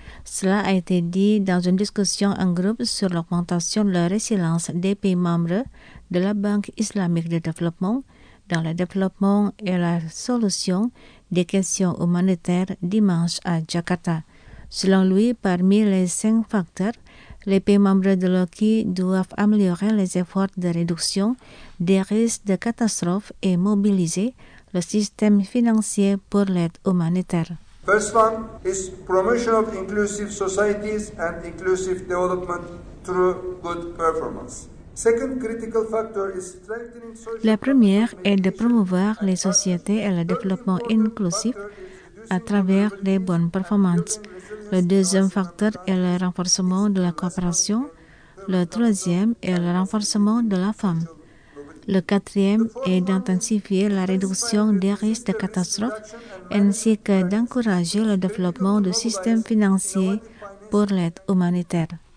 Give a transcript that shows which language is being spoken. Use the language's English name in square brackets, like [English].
[French] Cela a été dit dans une discussion en groupe sur l'augmentation de la résilience des pays membres de la Banque islamique de développement dans le développement et la solution des questions humanitaires dimanche à Jakarta. Selon lui, parmi les 5 facteurs, les pays membres de l'OCI doivent améliorer les efforts de réduction des risques de catastrophe et mobiliser le système financier pour l'aide humanitaire. [English] First one is promotion of inclusive societies and inclusive development through good performance. Second critical factor is strengthening social. [French] La première est de promouvoir les sociétés et le développement inclusif à travers les bonnes performances. Le deuxième facteur est le renforcement de la coopération. Le troisième est le renforcement de la femme. Le quatrième est d'intensifier la réduction des risques de catastrophes ainsi que d'encourager le développement du système financier pour l'aide humanitaire.